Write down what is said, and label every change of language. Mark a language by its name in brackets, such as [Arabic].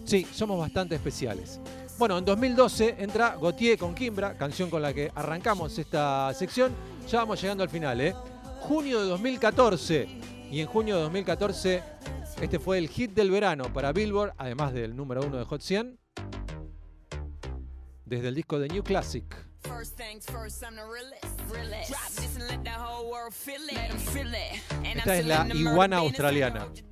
[Spanish] Sí, somos bastante especiales. Bueno, en 2012 entra Gautier con Kimbra, canción con la que arrancamos esta sección. Ya vamos llegando al final, ¿eh? Junio de 2014. Y en junio de 2014 Este fue el hit del verano para Billboard, además del número uno de Hot 100, desde el disco de New Classic. [English] First things first, I'm the realest. Drop this and let the whole world feel it. Let them feel it. [Spanish] And esta es la iguana australiana.